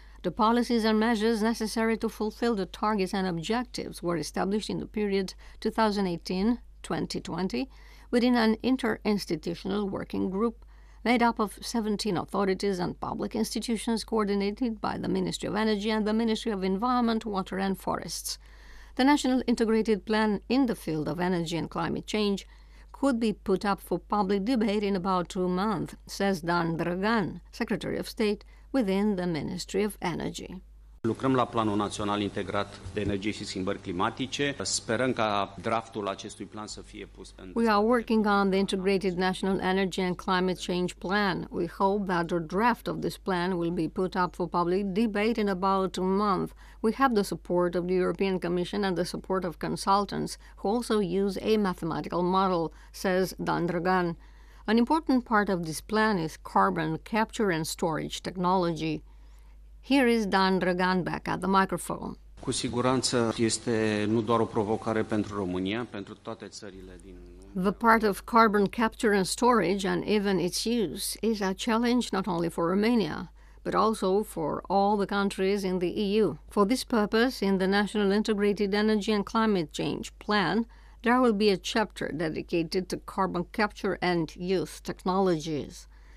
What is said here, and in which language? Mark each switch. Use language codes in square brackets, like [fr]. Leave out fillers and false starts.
[en] The policies and measures necessary to fulfill the targets and objectives were established in the period 2018-2020 within an interinstitutional working group made up of 17 authorities and public institutions coordinated by the Ministry of Energy and the Ministry of Environment, Water and Forests. The National Integrated Plan in the field of energy and climate change could be put up for public debate in about 2 months, says Dan Drăgan, Secretary of State within the Ministry of Energy. [ro] Lucrăm la Planul Național Integrat de Energie și Schimbări Climatice. Sperăm ca draftul acestui plan să fie pus în... [en] We are working on the Integrated National Energy and Climate Change Plan. We hope that the draft of this plan will be put up for public debate in about a month. We have the support of the European Commission and the support of consultants who also use a mathematical model, says Dan Drăgan. An important part of this plan is carbon capture and storage technology. Here is Dan Drăgan back at the microphone. [ro] Cu siguranță este nu doar o provocare pentru România, pentru toate țările din... [en] The part of carbon capture and storage and even its use is a challenge not only for Romania, but also for all the countries in the EU. For this purpose, in the National Integrated Energy and Climate Change Plan, there will be a chapter dedicated to carbon capture and use technologies.